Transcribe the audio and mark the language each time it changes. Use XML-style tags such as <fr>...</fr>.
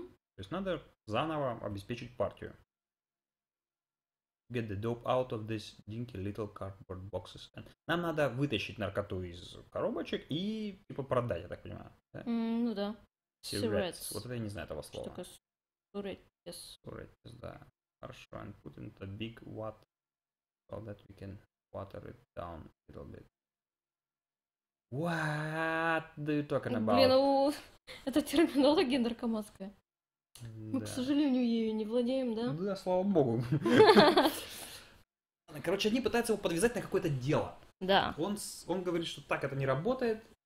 <ru>То есть надо заново обеспечить партию.</ru> <en>Get the dope out of this dinky little cardboard boxes.</en> <ru>Нам надо вытащить наркоту из коробочек и, типа, продать, я так понимаю. Да? Ну да.</ru> <en>Cigarettes.</en> <ru>Вот это я не знаю этого слова. Что такое cigarettes? Cigarettes, да. Хорошо.</ru> <en>And put in a big watt so that we can water it down a little bit. What are you talking about?</en> <ru>Блин, ну, это терминология наркоманская. Мы, да. к сожалению, ею не владеем, да? Ну да, слава богу. Короче, они пытаются его подвязать на какое-то дело. Да. Он говорит, что так это не работает.</ru>